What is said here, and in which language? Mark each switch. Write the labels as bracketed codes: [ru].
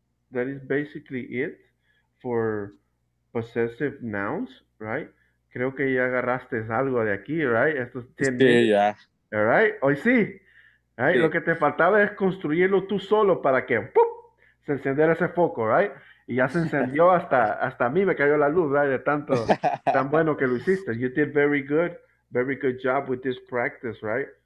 [en] That is basically it for possessive nouns, right? [es] Creo que ya agarraste algo de aquí, right? Estos tienen, sí, ya. [en] All right? [es] Hoy sí. [en] Right? Sí. [es] Lo que te faltaba es construirlo tú solo para que ¡pum!, se encendiera ese foco, right? Y ya se encendió hasta a mí me cayó la luz, right? De tanto, tan bueno que lo hiciste. [en] You did very good job with this practice, right?